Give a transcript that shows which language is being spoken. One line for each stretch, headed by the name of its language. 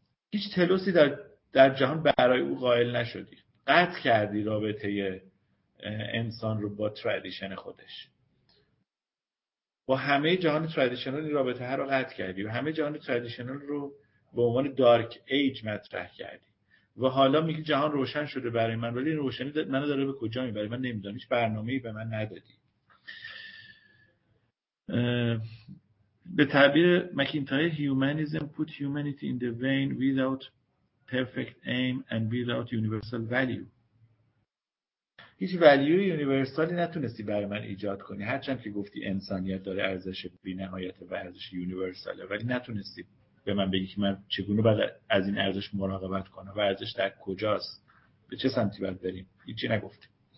Persian: هیچ تلوسی در جهان برای او قائل نشدی، قطع کردی رابطه انسان رو با تردیشن خودش، با همه جهان تردیشنال این رابطه ها رو قطع کردی و همه جهان تردیشنال رو به عنوان دارک ایج مطرح کردی، و حالا میگه جهان روشن شده برای من، ولی این روشنی منو داره به کجا میبره من نمیدونم، هیچ برنامه‌ای به من ندادی. به تعبیر مکینتایر، هیومانیزم
English: put humanity in the vein without perfect aim and without universal value.
Persian: هیچ value یونیورسالی نتونستی برای من ایجاد کنی، هرچند که گفتی انسانیت داره ارزش بی‌نهایت و ارزش یونیورساله، ولی نتونستی به من بگی که من چگونه باید از این ارزش مراقبت کنم و ارزش در کجاست، به چه سمتی باید بریم، هیچی نگفتیم.